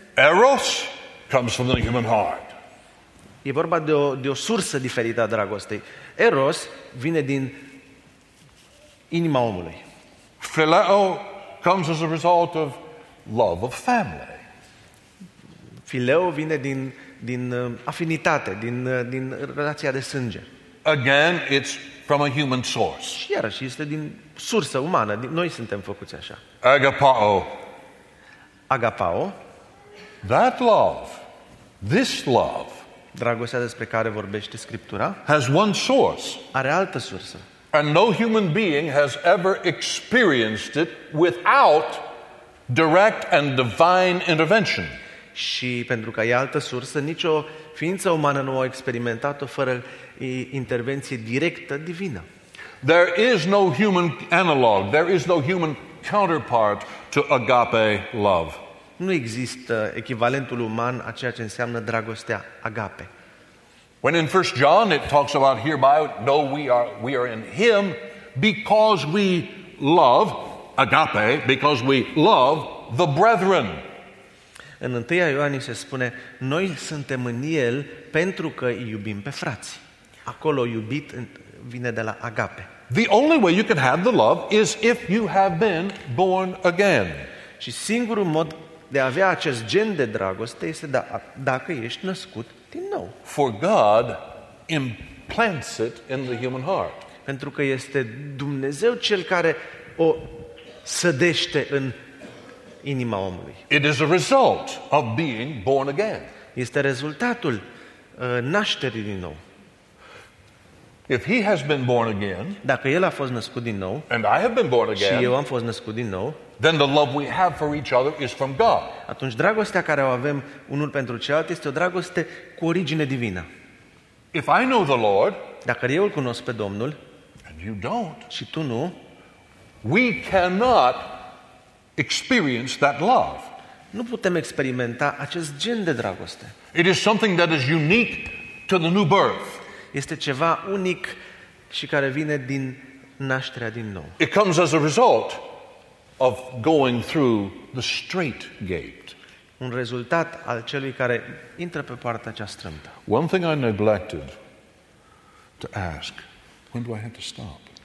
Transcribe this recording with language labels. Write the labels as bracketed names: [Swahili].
[English] Eros comes from the human heart. [Romanian] E vorba de o sursă diferită a dragostei. Eros vine din inima omului. [English] Phileo comes as a result of love of family. [Romanian] Fileo vine din afinitate, din relația de sânge. [English] Again, it's from a human source. [Romanian] Și iarăși este din sursă umană. Noi suntem făcuți așa. [English] Agapao. [Romanian] Agapao. [English] That love, this love, [Romanian] dragostea despre care vorbește Scriptura, [English] has one source. [Romanian] Are altă sursă. [English] And no human being has ever experienced it without direct and divine intervention. [Romanian] Și pentru că e altă sursă, nicio ființă umană nu a experimentat-o fără intervenție directă divină. [English] There is no human analog, there is no human counterpart to agape love. [Romanian] Nu există echivalentul uman a ceea ce înseamnă dragostea agape. [English] When in 1 John it talks about hereby know we are in him because we love agape, because we love the brethren. [Romanian] În 1 Ioan se spune noi suntem în el pentru că iubim pe frați. Acolo iubit vine de la agape. [English] The only way you can have the love is if you have been born again. [Romanian] Și singurul mod de a avea acest gen de dragoste este dacă ești născut din nou. [English] For God implants it in the human heart. [Romanian] Pentru că este Dumnezeu cel care o sădește în inima omului. [English] It is a result of being born again. [Romanian] Este rezultatul nașterii din nou. [English] If he has been born again, [Romanian] dacă el a fost născut din nou, [English] and I have been born again, [Romanian] și eu am fost născut din nou, [English] then the love we have for each other is from God. [Romanian] Atunci dragostea care o avem unul pentru celălalt este o dragoste cu origine divină. [English] If I know the Lord, [Romanian] dacă eu îl cunosc pe Domnul, [English] and you don't, [Romanian] și tu nu, [English] we cannot experience that love. [Romanian] Nu putem experimenta acest gen de dragoste. [English] It is something that is unique to the new birth. [Romanian] Este ceva unic și care vine din nașterea din nou. [English] It comes as a result of going through the straight gate. [Romanian] Un rezultat al celui care intră pe poarta cea strâmtă. [English] One thing I neglected to ask, when do I have to stop?